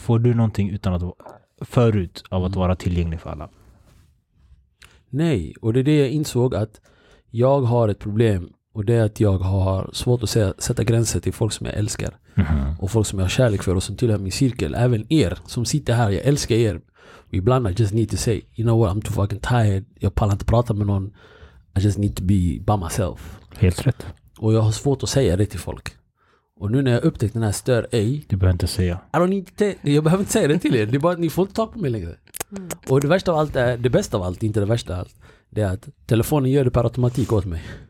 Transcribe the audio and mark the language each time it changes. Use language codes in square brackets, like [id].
[sv] Får du någonting utan att förut av att vara tillgänglig för alla? Nej, och det är det jag insåg att jag har ett problem, och det är att jag har svårt att sätta gränser till folk som jag älskar. Mm-hmm. Och folk som jag har kärlek för och som tillhör min cirkel. Även er som sitter här, jag älskar er. Ibland [en] I just need to say, you know what, I'm too fucking tired. [sv] Jag pallar inte prata med någon. [en] I just need to be by myself. [sv] Helt rätt. Och jag har svårt att säga det till folk. Och nu när jag upptäckt den här stör ej. Du behöver inte säga. Jag behöver inte säga det till er. Det är bara att ni får inte ta på mig längre. Mm. Och det värsta av allt är, det bästa av allt, inte det värsta av allt, det är att telefonen gör det per automatik åt mig.